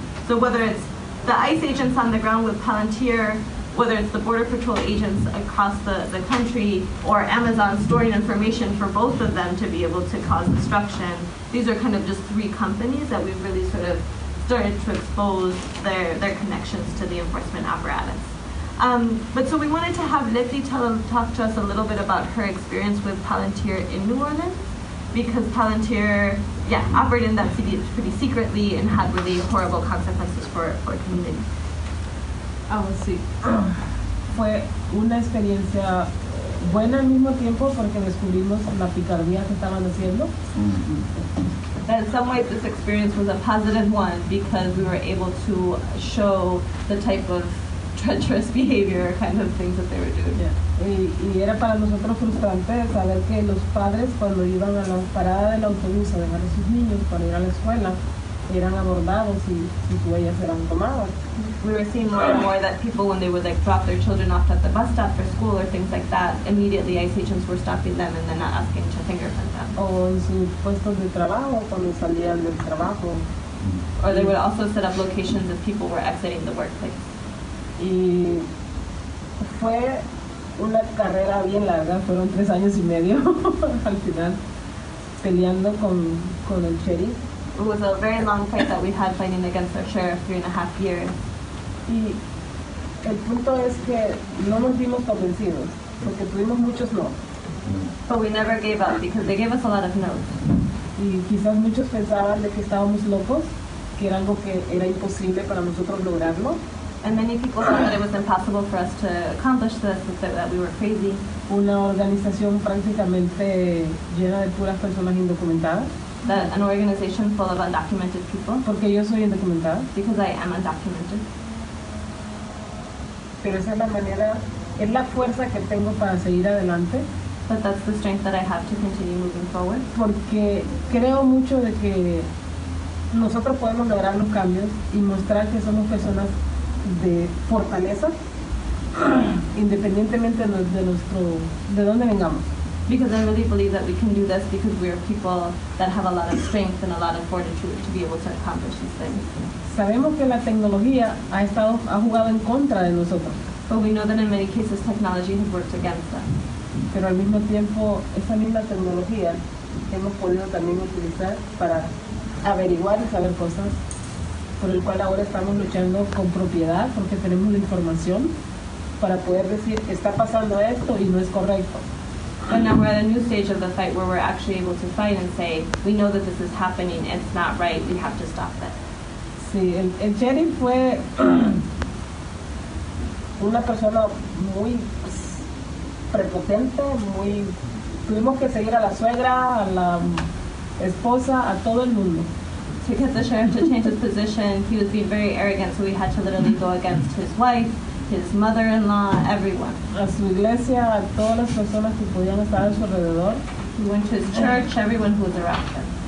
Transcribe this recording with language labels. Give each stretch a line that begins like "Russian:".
English: So whether it's the ICE agents on the ground with Palantir, whether it's the Border Patrol agents across the country, or Amazon storing information for both of them to be able to cause destruction, these are kind of just three companies that we've really sort of started to expose their connections to the enforcement apparatus. But so we wanted to have Leti talk to us a little bit about her experience with Palantir in New Orleans, because Palantir, yeah, operated in that city pretty secretly and had really horrible consequences for the community.
Spanish: Ah, sí. Fue una experiencia buena al mismo tiempo porque descubrimos la picardía que estaban haciendo.
English: In some ways, this experience was a positive one because we were able to show the type of treacherous behavior, kind of things that they were doing.
Spanish: Yeah. Y era para nosotros frustrante saber que los padres, cuando iban a la parada del autobús a dejar a sus niños para ir a la escuela, eran abordados y sus huellas eran tomadas.
English: We were seeing more and more that people, when they would like drop their children off at the bus stop for school or things like that, immediately ICE agents were stopping them and then not asking to fingerprint them.
Spanish: O en sus puestos de trabajo, cuando salían del trabajo.
English: Or they would also set up locations if people were exiting the workplace.
Spanish: Y fue una carrera bien larga, fueron 3 años y medio al final, peleando con el sheriff.
English: It was a very long fight that we had fighting against our sheriff, 3.5 years.
Spanish: Y el punto es que no nos dimos convencidos, porque tuvimos muchos no.
English: But we never gave up because they gave us a lot of no's.
Spanish: Y quizás muchos pensaban de que estábamos locos, que era algo que era imposible para nosotros lograrlo.
English: And many people thought that it was impossible for us to accomplish this, that we were crazy.
Spanish: Una organización prácticamente llena de puras personas indocumentadas.
English: That an organization full of undocumented people.
Spanish: Porque yo soy indocumentada.
English: Because I am undocumented.
Spanish: Pero esa es la manera, es la fuerza que tengo para seguir adelante.
English: But that's the strength that I have to continue moving forward.
Spanish: Porque creo mucho de que nosotros podemos lograr los cambios y mostrar que somos personas de fortaleza, independientemente de dónde vengamos.
English: Because I really believe that we can do this because we are people that have a lot of strength and a lot of fortitude to be able to accomplish these things.
Spanish: Sabemos que la tecnología ha jugado en contra de nosotros.
English: But we know that in many cases technology has worked against us.
Spanish: Pero al mismo tiempo, esa misma tecnología hemos podido también utilizar para averiguar y saber cosas. Por el cual ahora estamos luchando con propiedad, porque tenemos la información para poder decir, está pasando esto y no es correcto.
English: And now we're at a new stage of the fight where we're actually able to fight and say, we know that this is happening, it's not right, we have to stop this.
Spanish: Sí, el sheriff fue una persona muy prepotente, muy... Tuvimos que seguir a la suegra, a la esposa, a todo el mundo.
English: Because the sheriff had changed his position, he was being very arrogant, so we had to literally go against his wife, his mother-in-law, everyone.
Spanish: A su iglesia, a todas las personas que podían estar a su alrededor.
English: He went to his church, everyone who was around him.